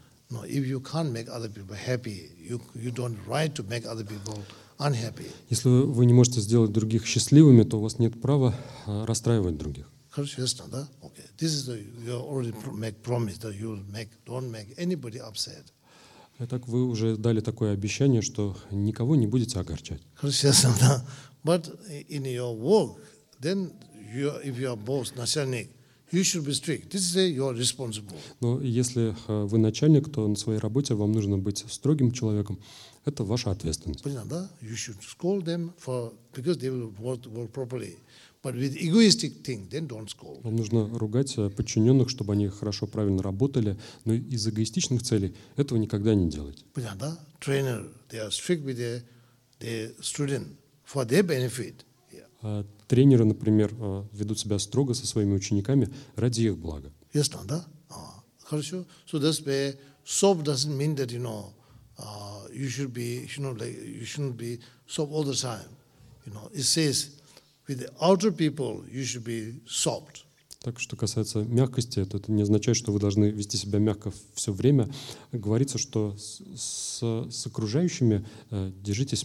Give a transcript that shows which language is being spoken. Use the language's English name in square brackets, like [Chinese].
[English] No, if you can't make other people happy, you don't right to make other people unhappy. [Russian] Если вы не можете сделать других счастливыми, то у вас нет права расстраивать других. Хорошо, да? [English] Okay. This is you already make promise that you'll make don't make anybody upset. [Russian] Итак, вы уже дали такое обещание, что никого не будете огорчать. Хорошо, да? [English] But in your work, then you if you are boss, [Russian] начальник. [English] You should be strict. This is your responsibility. [Russian] Но если вы начальник, то на своей работе вам нужно быть строгим человеком. Это ваша ответственность. Понятно, да? [English] You should scold them because they will work properly. But with egoistic thing, then don't scold. [Russian] Вам нужно ругать подчиненных, чтобы они хорошо, правильно работали. Но из эгоистичных целей этого никогда не делать. Понятно, да? [English] Trainer, they are strict with their student for their benefit. Yeah. [Russian] Тренеры, например, ведут себя строго со своими учениками ради их блага. [English] Yes, no, [Russian] да? Хорошо. [English] So that's why soft doesn't mean that, you know, you shouldn't be soft all the time. You know, it says with the outer people, you should be soft. [Russian] Так, что касается мягкости, то это не означает, что вы должны вести себя мягко все время. Говорится, что с окружающими держитесь